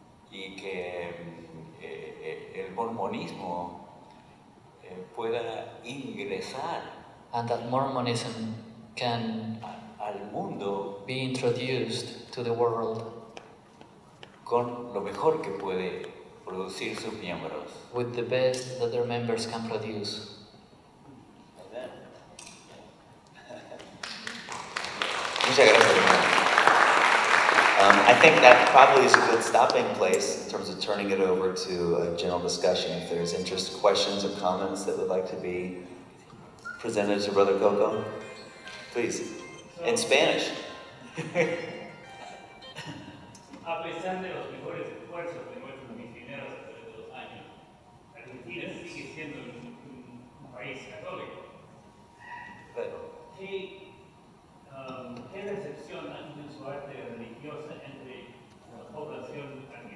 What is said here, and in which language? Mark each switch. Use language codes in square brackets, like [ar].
[es] y que el mormonismo pueda ingresar, [en] and that Mormonism can [es] al mundo [en] be introduced to the world. [es] con lo mejor que puede producir sus miembros. [en] With the best that their members can produce. [es] Muchas gracias. [en] I think that probably is a good stopping place in terms of turning it over to a general discussion. If there's interest, questions, or comments that would like to be presented to Brother Coco, please, in Spanish. [es] A pesar de los mejores esfuerzos de nuestros misioneros a través de los años, Argentina sigue siendo un país católico. Pero, ¿qué recepción ha tenido su arte religiosa entre la población argentina?